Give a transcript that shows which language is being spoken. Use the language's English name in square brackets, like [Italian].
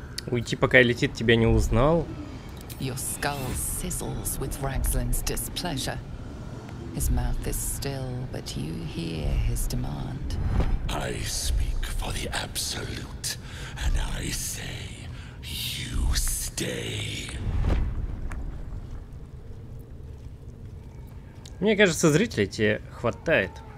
[Russian] Уйти, пока летит, тебя не узнал. [English] Your skull sizzles with Raglan's displeasure. His mouth is still, but you hear his demand. I speak for the Absolute, and I say, you stay. [Russian] Мне кажется, зрителей тебе хватает.